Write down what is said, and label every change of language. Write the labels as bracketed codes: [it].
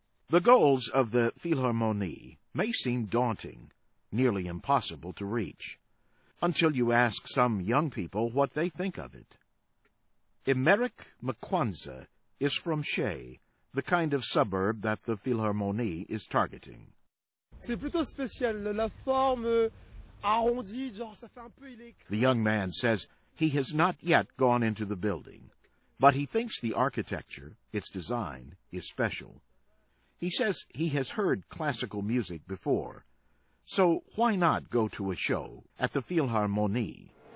[en] The goals of the Philharmonie may seem daunting, nearly impossible to reach, until you ask some young people what they think of it. Emeric Mkwanza is from Shea, the kind of suburb that the Philharmonie is targeting. [fr] C'est plutôt spécial, la forme arrondie, genre ça fait un peu électrique. [en] The young man says he has not yet gone into the building, but he thinks the architecture, its design, is special. He says he has heard classical music before, so why not go to a show at the Philharmonie?